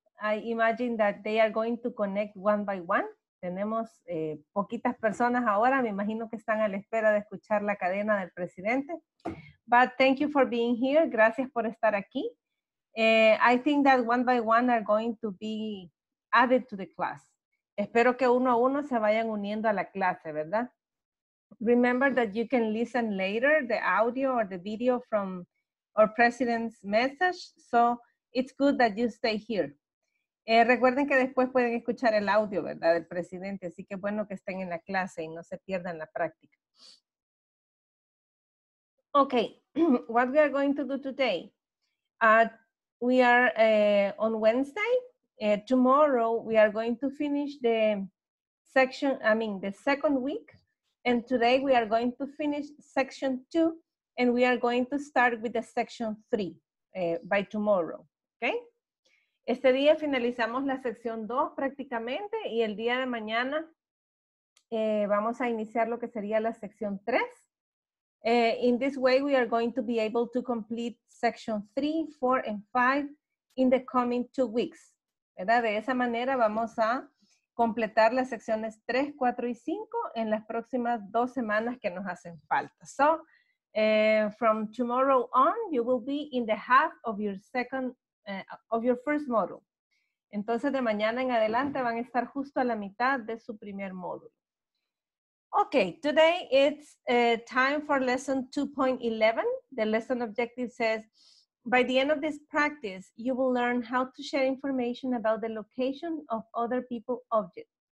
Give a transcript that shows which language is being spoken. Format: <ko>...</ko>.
<en>I imagine that they are going to connect one by one.</en> <es>Tenemos poquitas personas ahora, me imagino que están a la espera de escuchar la cadena del presidente.</es> <en>But thank you for being here.</en> <es>Gracias por estar aquí.</es> <en>I think that one by one are going to be added to the class.</en> <es>Espero que uno a uno se vayan uniendo a la clase, ¿verdad?</es> <en>Remember that you can listen later the audio or the video from our president's message. So it's good that you stay here.</en> <es>Recuerden que después pueden escuchar el audio, ¿verdad?, del presidente, así que bueno que estén en la clase y no se pierdan la práctica.</es> <en>Okay, what we are going to do today, we are on Wednesday. Tomorrow we are going to finish the section, I mean the second week, and today we are going to finish section two, and we are going to start with the section three by tomorrow, okay?</en> <es>Este día finalizamos la sección 2 prácticamente y el día de mañana vamos a iniciar lo que sería la sección 3.</es> <en>In this way, we are going to be able to complete section 3, 4, and 5 in the coming 2 weeks.</en> <es>¿Verdad? De esa manera vamos a completar las secciones 3, 4 y 5 en las próximas 2 semanas que nos hacen falta.</es> <en>So, from tomorrow on, you will be in the half of your second. Of your first module.</en> <es>Entonces, de mañana en adelante van a estar justo a la mitad de su primer módulo.</es> <en>Okay, today it's time for lesson 2.11. The lesson objective says, by the end of this practice, you will learn how to share information about the location of other people's objects.</en>